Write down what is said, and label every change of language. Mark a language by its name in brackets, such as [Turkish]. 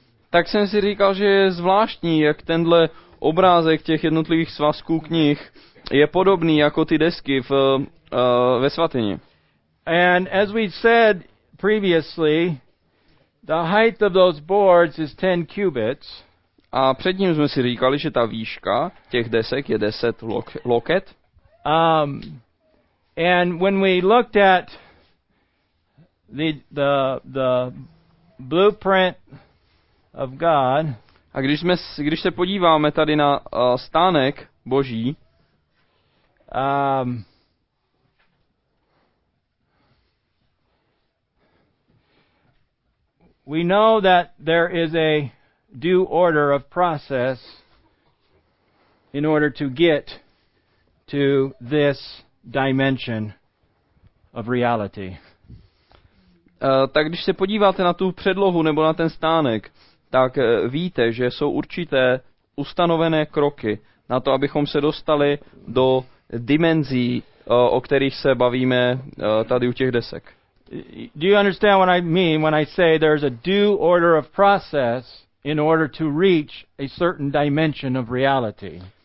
[Czech] Tak jsem si říkal, že je zvláštní, jak tenhle obrázek těch jednotlivých svazků knih je podobný jako ty desky ve svatyni. [English] And as we said previously, the height of those boards is 10 cubits. [Czech] A předtím jsme si říkali, že ta výška těch desek je 10 loket. [English] And when we looked at the blueprint of God. [Czech] A když se podíváme tady na stánek Boží. [English] We know that there is a due order of process in order to get to this dimension of reality. [Czech] Tak když se podíváte na tu předlohu nebo na ten stánek, tak víte, že jsou určité ustanovené kroky na to, abychom se dostali do dimenzí, o kterých se bavíme tady u těch desek. [English] Do you understand what I mean when I say there's a due order of process in order to reach a certain dimension of reality?